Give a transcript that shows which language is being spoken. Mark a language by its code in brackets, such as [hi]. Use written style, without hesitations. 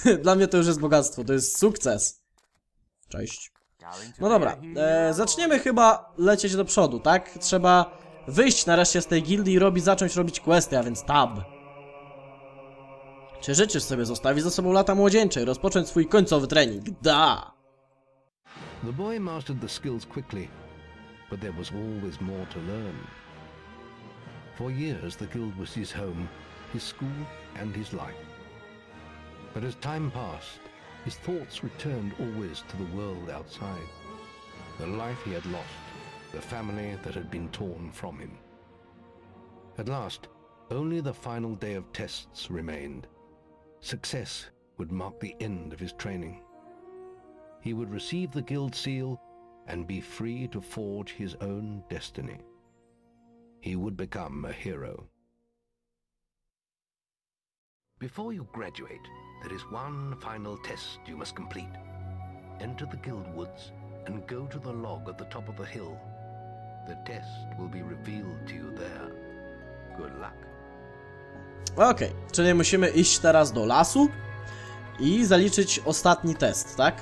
[pl] Dla mnie to już jest bogactwo, to jest sukces. Cześć. No dobra, zaczniemy chyba lecieć do przodu, tak? Trzeba wyjść nareszcie z tej gildii i zacząć robić questy, a więc tab. Czy życzysz sobie zostawić za sobą lata młodzieńcze i rozpocząć swój końcowy trening? Da! [en] The boy mastered the skills quickly, but there was always more to learn. For years the guild was his home, his school and his life. But as time passed, his thoughts returned always to the world outside. The life he had lost, the family that had been torn from him. At last, only the final day of tests remained. Success would mark the end of his training. He would receive the guild seal and be free to forge his own destiny. He would become a hero. Before you graduate, there is one final test you must complete. Enter the guild woods and go to the log at the top of the hill. The test will be revealed to you there. Good luck. [pl] Okej, czyli musimy iść teraz do lasu i zaliczyć ostatni test, tak?